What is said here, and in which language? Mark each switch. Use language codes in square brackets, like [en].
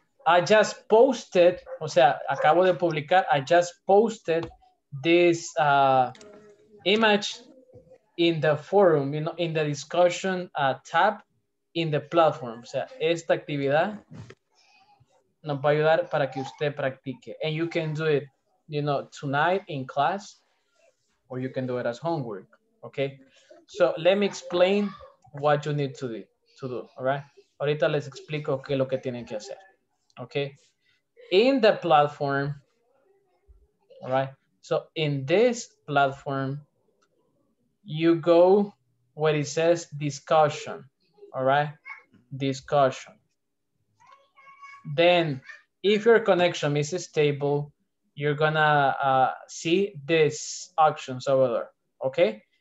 [en] I just posted, [es] o sea, acabo de publicar, [en] I just posted this image in the forum, you know, in the discussion tab in the platform. [es] O sea, esta actividad nos va a ayudar para que usted practique. [en] And you can do it, you know, tonight in class, or you can do it as homework, okay? So let me explain what you need to do, all right? [es] Ahorita les explico qué es lo que tienen que hacer, okay? [en] In the platform, all right? So in this platform, you go where it says discussion, all right? Discussion. Then if your connection is stable, you're gonna see this options over there, okay?